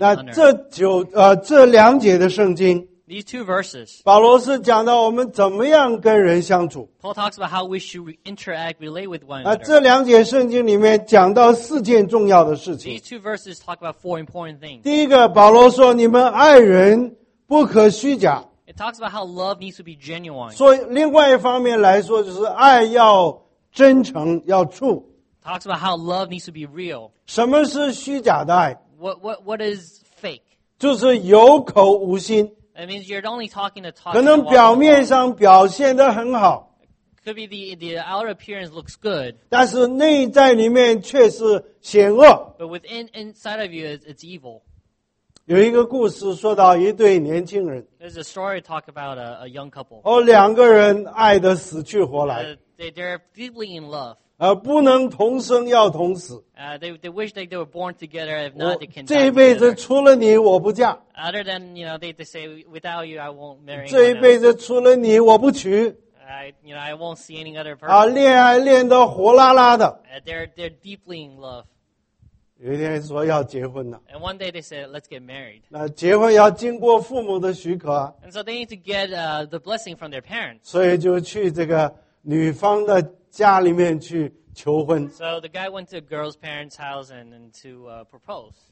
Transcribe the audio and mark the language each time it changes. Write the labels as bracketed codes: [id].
[zh] honor. 那这九这两节的圣经。 [en] These two verses. [zh] 保罗是讲到我们怎么样跟人相处。 [en] Paul talks about how we should interact, relate with one [zh] another. 这两节圣经里面讲到四件重要的事情。 [en] These two verses talk about four important things. [zh] 第一个，保罗说你们爱人不可虚假。 [en] It talks about how love needs to be genuine. [zh] 所以另外一方面来说就是爱要真诚，要true。 [en] Talks about how love needs to be real. [zh] 什么是虚假的爱？ [en] What is fake? [zh] 就是有口无心。 [en] It means you're only talking to talk. [zh] 可能表面上表现得很好。 [en] Could be the outer appearance looks good. [zh] 但是内在里面却是险恶。 [en] But within inside of you, it's evil. [zh] 有一个故事说到一对年轻人。 [en] There's a story talk about a young couple. [zh] 哦，两个人爱得死去活来。 [en] They're deeply in love. [zh] 不能同生要同死。 [en] They wish that they were born together. If not, they can die. [zh] 这一辈子除了你，我不嫁。 [en] Other than you know, they say without you, I won't marry. [zh] 这一辈子除了你，我不娶。 [en] I won't see any other person. [zh] 恋爱恋得火辣辣的。 [en] They're deeply in love. [zh] 有一天说要结婚了。 [en] And one day they said, let's get married. [zh] 那结婚要经过父母的许可。 [en] And so they need to get the blessing from their parents. [zh] 所以就去这个。女方的家里面去求婚。 [en] So the guy went to a girl's parents' house and to propose.